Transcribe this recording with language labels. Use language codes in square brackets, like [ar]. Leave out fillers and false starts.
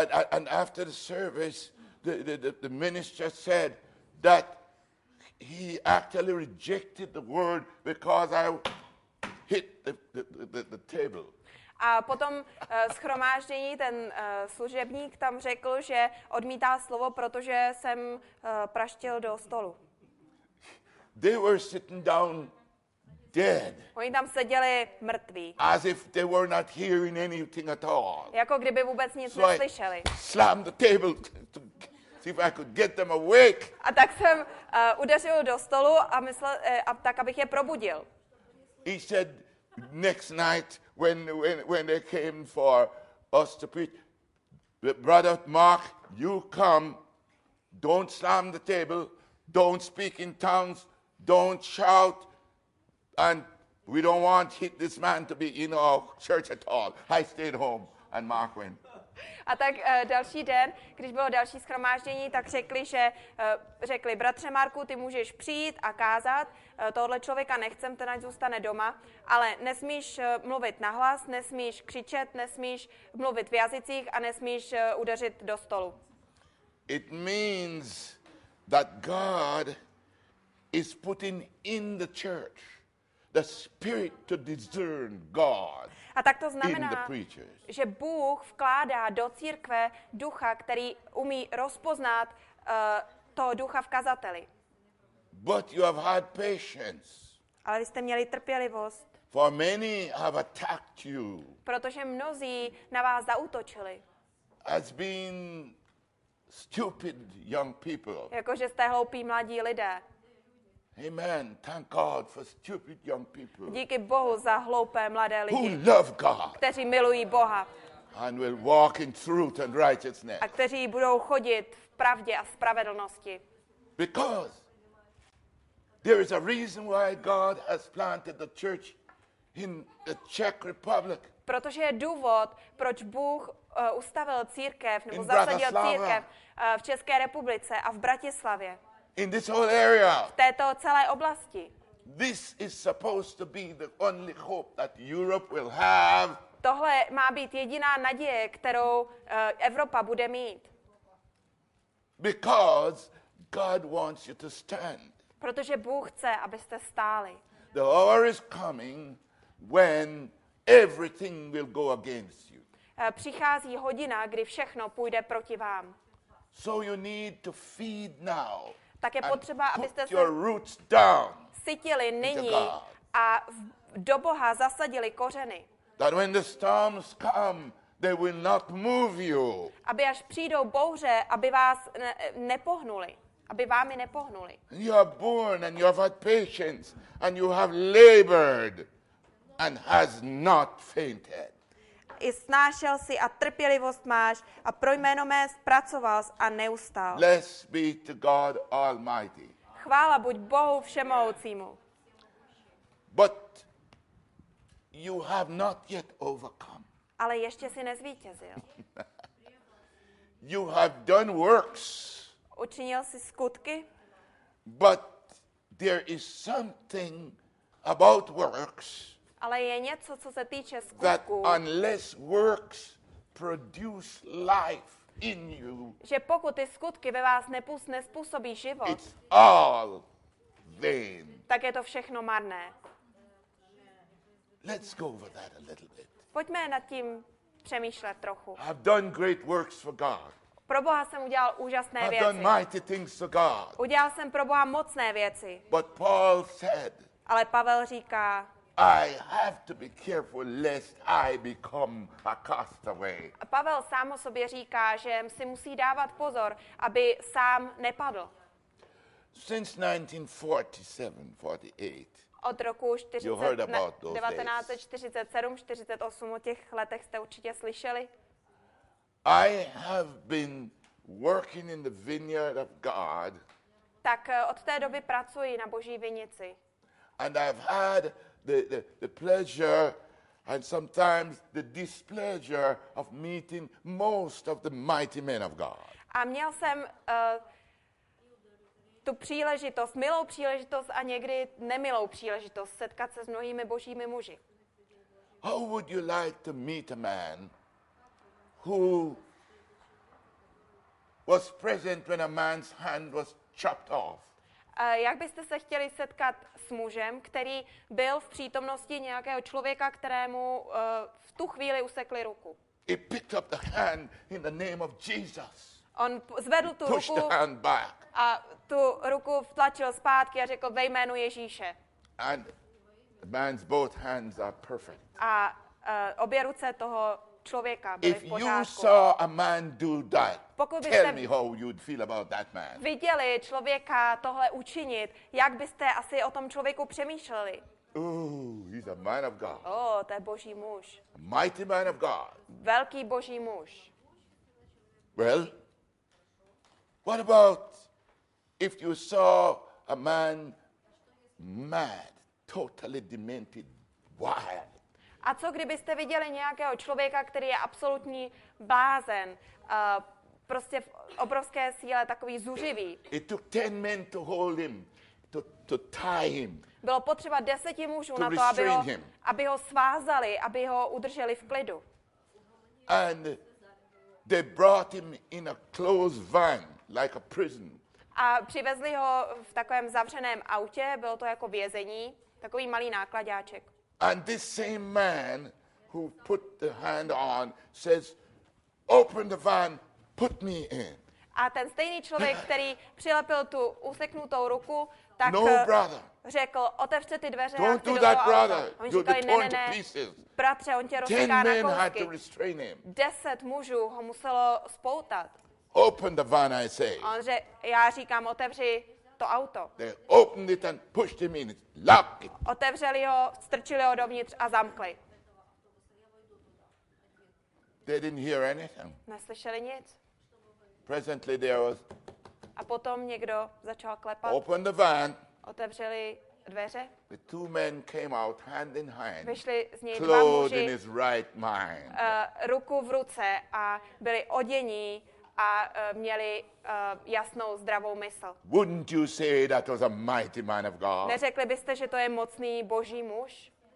[en] And after the service, the minister said that he actually rejected the word because I hit the table. [cs] A potom shromáždění ten služebník tam řekl, že odmítá slovo, protože jsem praštil do stolu. [en] They were sitting down dead. [cs] Oni tam seděli mrtví. [en] As if they were not hearing anything at all. [cs] Jako kdyby vůbec nic [en] so [cs] neslyšeli. [en] I slammed the table to see if I could get them awake. [cs] A tak jsem udeřil do stolu a myslel tak abych je probudil. [en] He said next night when they came for us to preach, brother Mark, you come, don't slam the table, don't speak in tongues, don't shout. And we don't want this man to be in our church at all. I stayed home and Mark went. [cs] A tak další den, když bylo další shromáždění, tak řekli, že řekli, bratře Marku, ty můžeš přijít a kázat, tohle člověka nechcem, ten ať zůstane doma, ale nesmíš mluvit nahlas, nesmíš křičet, nesmíš mluvit v jazycích a nesmíš udeřit do stolu. [en] It means that God is putting in the church the spirit to discern God. [cs] A tak to znamená, že Bůh vkládá do církve ducha, který umí rozpoznat toho ducha v kazateli. [en] But you have had patience. [cs] Ale vy jste měli trpělivost. [en] For many have attacked you. [cs] Protože mnozí na vás zaútočili. [en] As being stupid young people. [cs] Jakože jste hloupí mladí lidé. [en] Amen. Thank God for stupid young people. [cs] Díky Bohu za hloupé mladé lidi. [en] Who love God. [cs] Kteří milují Boha. [en] And will walk in truth and righteousness. [cs] A kteří budou chodit v pravdě a spravedlnosti. [en] Because there is a reason why God has planted the church in the Czech Republic. [cs] Protože je důvod, proč Bůh ustavil církev nebo zasadil církev v České republice a v Bratislavě. [en] In this whole area. [cs] V této celé oblasti. [en] This is supposed to be the only hope that Europe will have. [cs] Tohle má být jediná naděje, kterou Evropa bude mít. [en] Because God wants you to stand. [cs] Protože Bůh chce, abyste stáli. [en] The hour is coming when everything will go against you. [cs] Přichází hodina, kdy všechno půjde proti vám. [en] So you need to feed now. [cs] Tak je potřeba, abyste se sytili nyní a do Boha zasadili kořeny. [en] That when the storms come, they will not move you. [cs] Aby až přijdou bouře, aby vás nepohnuli. Aby vámi nepohnuli. [en] You are born and you have had patience and you have labored and has not fainted. [cs] I snášel si a trpělivost máš a pro jméno mé zpracoval jsi a neustal. [en] Bless be to God Almighty. [cs] Chvála buď Bohu všemohoucímu. [en] But you have not yet overcome. [cs] Ale ještě si nezvítězil. [en] You have done works. [cs] Učinil si skutky. [en] But there is something about works. [cs] Ale je něco, co se týče skutku. [en] That unless works produce life in you. [cs] Že pokud ty skutky ve vás nespůsobí život. [en] It's all vain. [cs] Tak je to všechno marné. [en] Let's go over that a little bit. [cs] Pojďme nad tím přemýšlet trochu. [en] I've done great works for God. [cs] Pro Boha jsem udělal úžasné [en] I've [cs] věci. [en] Done mighty things for God. [cs] Udělal jsem pro Boha mocné věci. [en] But Paul said. [cs] Ale Pavel říká. [en] I have to be careful lest I become a castaway. [cs] Pavel sám o sobě říká, že si musí dávat pozor, aby sám nepadl. [en] Since 1947-48. [cs] Od roku 1947-48, o těch letech jste určitě slyšeli. [en] I have been working in the vineyard of God. [cs] Tak od té doby pracuji na Boží vinici. [en] And I've had the pleasure and sometimes the displeasure of meeting most of the mighty men of God. [cs] A měl jsem tu příležitost, milou příležitost a někdy nemilou příležitost setkat se s mnohými božími muži. [en] How would you like to meet a man who was present when a man's hand was chopped off? [cs] Jak byste se chtěli setkat s mužem, který byl v přítomnosti nějakého člověka, kterému v tu chvíli usekli ruku? [en] He picked up the hand in the name of Jesus. [cs] On zvedl tu ruku a tu ruku vtlačil zpátky a řekl ve jménu Ježíše. [en] And the man's both hands are perfect. [cs] A obě ruce toho člověka byli [en] If [cs] v pořádku. [en] You saw a man do that, [cs] pokud byste [en] tell me how you'd feel about that man. [cs] Viděli člověka tohle učinit, jak byste asi o tom člověku přemýšleli? [en] Oh, he's a man of God. [cs] Oh, to je Boží muž. [en] A mighty man of God. [cs] Velký Boží muž. [en] Well, what about if you saw a man mad, totally demented, wild? [cs] A co kdybyste viděli nějakého člověka, který je absolutní blázen, prostě v obrovské síle takový zuřivý? [en] It took 10 men to hold him, to tie him. [cs] Bylo potřeba 10 mužů na to, aby ho svázali, aby ho udrželi v klidu. [en] And they brought him in a closed van, like a prison. [cs] A přivezli ho v takovém zavřeném autě, bylo to jako vězení, takový malý nákladáček. [en] And this same man who put the hand on says, open the van, put me in. [cs] A ten stejný člověk, který přilepil tu useknutou ruku, tak řekl, otevře ty dveře. [en] Don't [cs] a chci [en] do that, [cs] auto. [en] Brother. [cs] Říkali, [en] you're torn to pieces. [cs] Bratře, on tě rozseká na kousky. 10 mužů ho muselo spoutat. [en] Open the van, I say. [cs] A on já říkám, otevři to auto. [en] They opened it and pushed him in. Locked it. [cs] Otevřeli ho, strčili ho dovnitř a zamkli. [en] They didn't hear anything. [cs] Neslyšeli nic. [en] Presently there was. [cs] A potom někdo začal klepat. [en] Open the van. [cs] Otevřeli dveře. [en] The two men came out hand in hand. [cs] Vyšli z něj [en] clothed [cs] dva muži, [en] in his right mind. [cs] Ruku v ruce a byli odění a měli jasnou zdravou mysl. [en] Wouldn't you say that was a mighty man of God? [cs] Neřekli byste, že to je mocný boží muž?